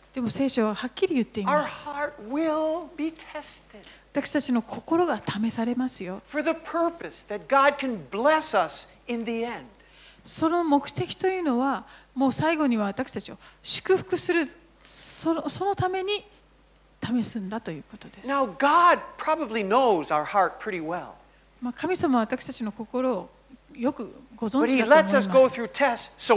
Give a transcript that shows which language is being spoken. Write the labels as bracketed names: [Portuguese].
[Japanese] でも聖書ははっきり言っています。 [English] Our heart will be tested. [Japanese] 私たちの心が試されますよ。 [English] For the purpose that God can bless us in the end. [Japanese] その目的というのはもう最後には私たちを祝福する、そのために試すんだということです。 [English] Now God probably knows our heart pretty well. [Japanese] まあ、神様は私たちの心をよくご存知だと思います。